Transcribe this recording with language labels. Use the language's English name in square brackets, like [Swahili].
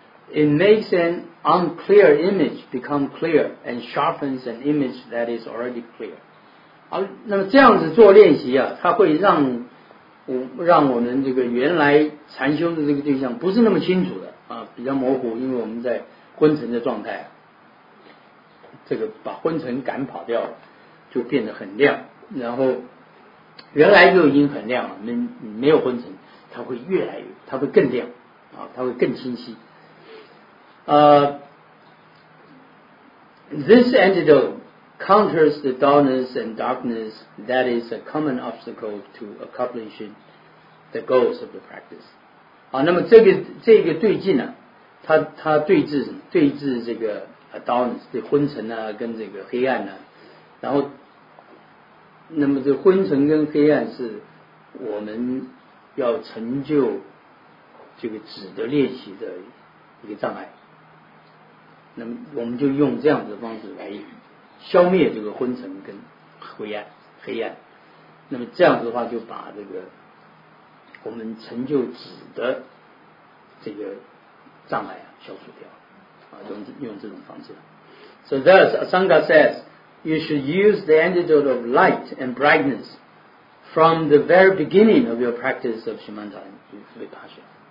[English] It makes an unclear image become clear and sharpens an image that is already clear. [Chinese] 好，那么这样子做练习啊，它会让我们这个原来禅修的这个对象不是那么清楚的啊，比较模糊，因为我们在昏沉的状态，这个把昏沉赶跑掉了，就变得很亮。然后原来就已经很亮了，没有昏沉，它会越来越，它会更亮啊，它会更清晰。 [English] This antidote counters the dullness and darkness that is a common obstacle to accomplishing the goals of the practice. [Chinese] 好，那么这个对镜呢，它对治什么？对治这个 dullness， 对昏沉啊，跟这个黑暗啊，然后。那么这昏沉跟黑暗是我们要成就这个止的练习的一个障碍，那么我们就用这样子的方式来消灭这个昏沉跟黑暗，那么这样子的话就把这个我们成就止的这个障碍消除掉啊，用这种方式。 [English] So thus Asanga saysYou should use the antidote of light and brightness from the very beginning of your practice of Shimantan Vipassana.